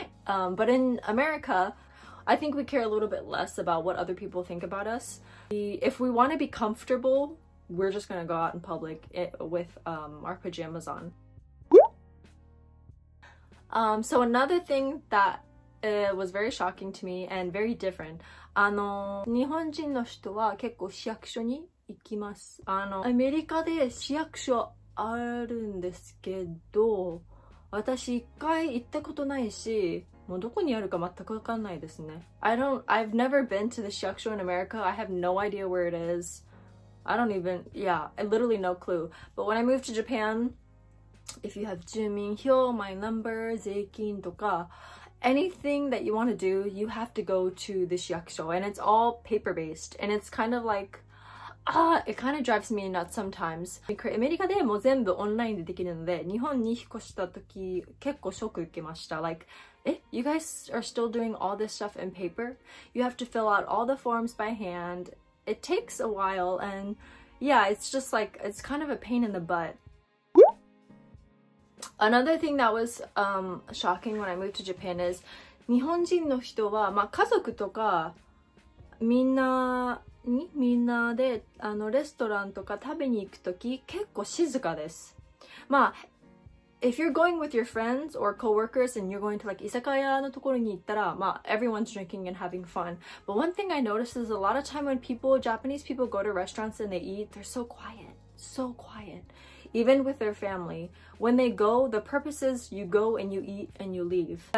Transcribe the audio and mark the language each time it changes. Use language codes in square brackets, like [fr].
[en] But in America, I think we care a little bit less about what other people think about us. If we want to be comfortable, we're just going to go out in public with our pajamas on. So another thing that was very shocking to me and very different. [ja] 日本人の人は結構市役所に行きます。アメリカで市役所あるんですけど、私一回行ったことないし、もうどこにあるか全くわかんないですね。 [en] I've never been to the 市役所 in America. I have no idea where it is. I don't even, yeah, I literally no clue. But when I moved to Japan, if you have 住民票、my number、税金とか、anything that you want to do, you have to go to the 市役所 and it's all paper based. And it's kind of like,it kind of drives me nuts sometimes. [ja] アメリカでも全部オンラインでできるので、日本に引っ越した時結構ショック受けました。 [en] Like, you guys are still doing all this stuff in paper? You have to fill out all the forms by hand. It takes a while and yeah, it's just like, it's kind of a pain in the butt. Another thing that was shocking when I moved to Japan is [ja] 日本人の人は、まあ、家族とかみんなでレストランとか食べに行くとき結構静かです。 [en] まあ、if you're going with your friends or coworkers and you're going to like [ja] 居酒屋のところに行ったら、 [en] まあ、everyone's drinking and having fun. But one thing I notice is a lot of time when Japanese people go to restaurants and they eat, they're so quiet. So quiet. Even with their family. When they go, the purpose is you go and you eat and you leave.